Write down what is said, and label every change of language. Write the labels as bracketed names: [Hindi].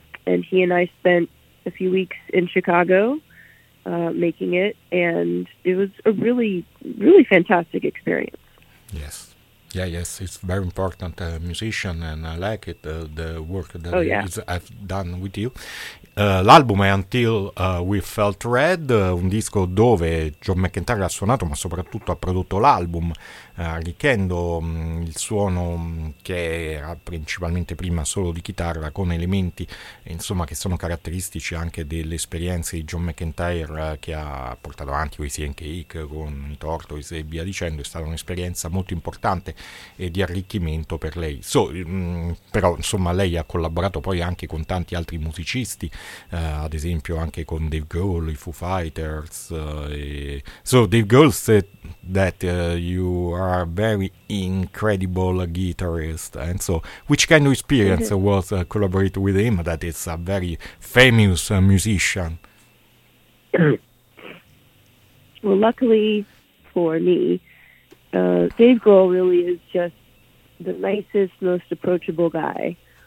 [English] And he and I spent a few weeks in Chicago making it, and it was a really, really fantastic experience. Yes. Yeah, yes, it's very important musician, and I like it, the work that I've done with you. [Italian] L'album è Until We Felt Red, un disco dove John McIntyre ha suonato, ma soprattutto ha prodotto l'album, arricchendo il suono che era principalmente prima solo di chitarra, con elementi, insomma, che sono caratteristici anche delle esperienze di John McIntyre che ha portato avanti con i Sea and Cake, con i Tortoise e via dicendo. È stata un'esperienza molto importante e di arricchimento per lei. So, però, insomma, lei ha collaborato poi anche con tanti altri musicisti, ad esempio anche con Dave Grohl, i Foo Fighters. [English] So Dave Grohl said that you are a very incredible guitarist, and so which kind of experience was collaborate with him, that is a very famous musician? Well, luckily for me, Dave Grohl really is just the nicest, most approachable guy.